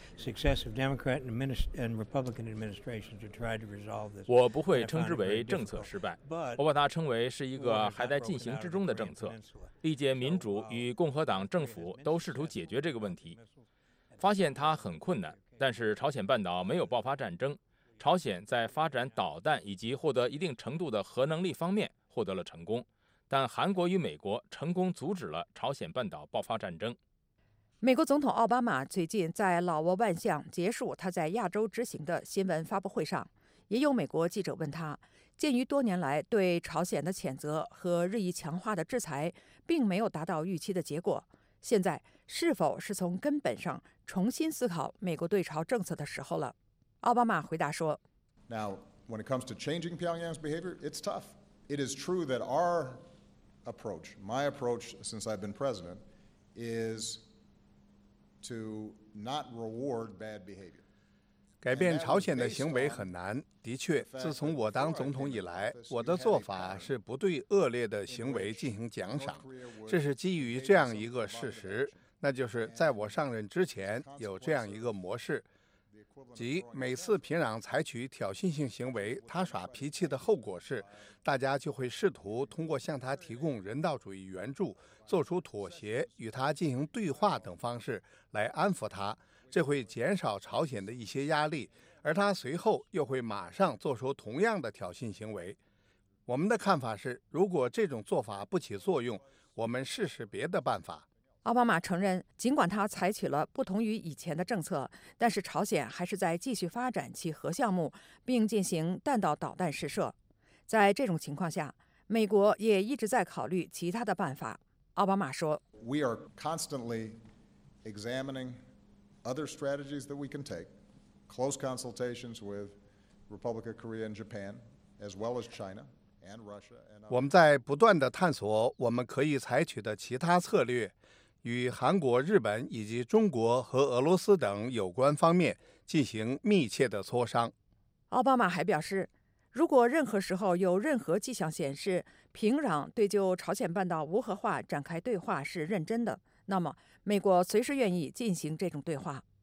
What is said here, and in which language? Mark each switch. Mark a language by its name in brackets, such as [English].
[English] Successive Democrat and Republican administrations have tried to resolve this. [Chinese] 我不会称之为政策失败，我把它称为是一个还在进行之中的政策。历届民主与共和党政府都试图解决这个问题，发现它很困难，但是朝鲜半岛没有爆发战争，朝鲜在发展导弹以及获得一定程度的核能力方面获得了成功，但韩国与美国成功阻止了朝鲜半岛爆发战争。美国总统奥巴马最近在老挝万象结束他在亚洲执行的新闻发布会上，也有美国记者问他，鉴于多年来对朝鲜的谴责和日益强化的制裁并没有达到预期的结果，现在是否是从根本上重新思考美国对朝政策的时候了？奥巴马回答说， [English] Now, when it comes to changing Pyongyang's behavior, it's tough. It is true that our approach, my approach since I've been president, is to not reward bad behavior. [Chinese] 改变朝鲜的行为很难。的确，自从我当总统以来，我的做法是不对恶劣的行为进行奖赏。这是基于这样一个事实，那就是在我上任之前有这样一个模式。即每次平壤采取挑衅性行为，他耍脾气的后果是，大家就会试图通过向他提供人道主义援助、做出妥协、与他进行对话等方式来安抚他，这会减少朝鲜的一些压力，而他随后又会马上做出同样的挑衅行为。我们的看法是，如果这种做法不起作用，我们试试别的办法。奥巴马承认，尽管他采取了不同于以前的政策，但是朝鲜还是在继续发展其核项目，并进行弹道导弹试射。在这种情况下，美国也一直在考虑其他的办法。奥巴马说 [English] ：“We are constantly examining other strategies that we can take. Close consultations with Republic of Korea and Japan, as well as China.” [Chinese] 我们在不断地探索我们可以采取的其他策略，与韩国、日本以及中国和俄罗斯等有关方面进行密切的磋商。奥巴马还表示，如果任何时候有任何迹象显示平壤对就朝鲜半岛无核化展开对话是认真的，那么美国随时愿意进行这种对话。